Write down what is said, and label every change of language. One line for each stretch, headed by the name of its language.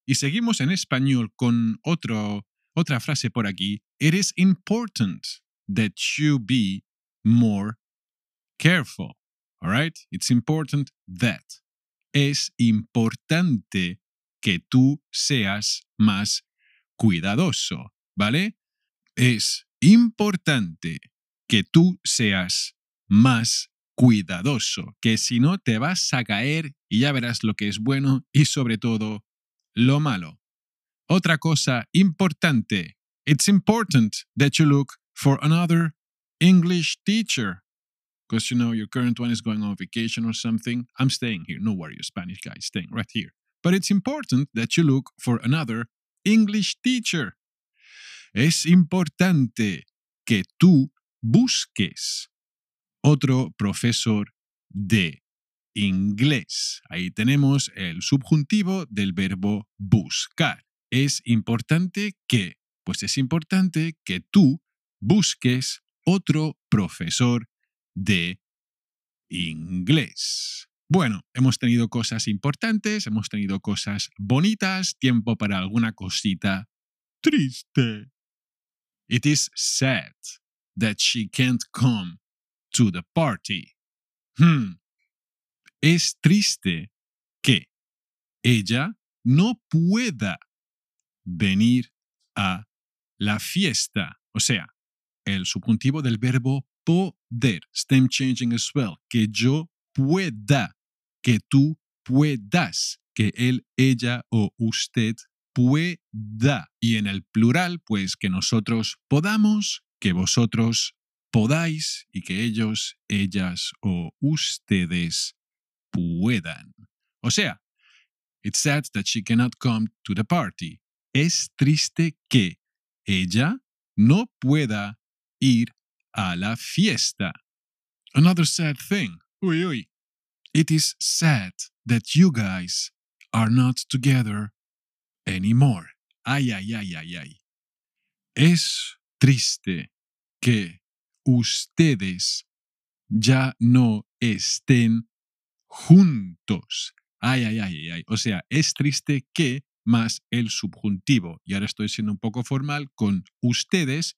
Spanish: Y seguimos en español con otra frase por aquí.
English: It is important that you be more careful. All right? It's important that.
Spanish: Es importante que tú seas más cuidadoso. ¿Vale? Es importante que tú seas más cuidadoso. Que si no, te vas a caer y ya verás lo que es bueno y sobre todo lo malo. Otra cosa importante.
English: It's important that you look for another English teacher. Because, you know, your current one is going on vacation or something. I'm staying here. No worries, Spanish guy. Staying right here. But it's important that you look for another English teacher.
Spanish: Es importante que tú busques otro profesor de inglés. Ahí tenemos el subjuntivo del verbo buscar. Es importante que, pues es importante que tú busques otro profesor de inglés. Bueno, hemos tenido cosas importantes, hemos tenido cosas bonitas, tiempo para alguna cosita triste.
English: It is sad that she can't come to the party.
Spanish: Es triste que ella no pueda venir a la fiesta. O sea, el subjuntivo del verbo poder.
English: Stem changing as well.
Spanish: Que yo pueda. Que tú puedas. Que él, ella o usted pueda. Y en el plural, pues que nosotros podamos. Que vosotros podáis. Y que ellos, ellas o ustedes puedan. O sea,
English: it's sad that she cannot come to the party.
Spanish: Es triste que ella no pueda ir a la fiesta.
English: Another sad thing. Uy, uy. It is sad that you guys are not together anymore. Ay, ay, ay, ay, ay.
Spanish: Es triste que ustedes ya no estén juntos. Ay, ay, ay, ay, ay. O sea, es triste que más el subjuntivo. Y ahora estoy siendo un poco formal con ustedes.